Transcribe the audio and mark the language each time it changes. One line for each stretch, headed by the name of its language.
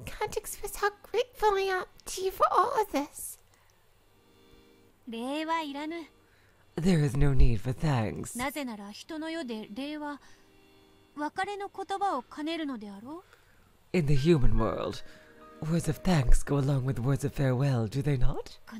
English: can't express how grateful I am to you for all of this. There is no need for thanks.
Japanese: なぜなら人の世で礼は別れの言葉を兼ねるのであろう。
English: In the human world, words of thanks go along with words of farewell, do they not?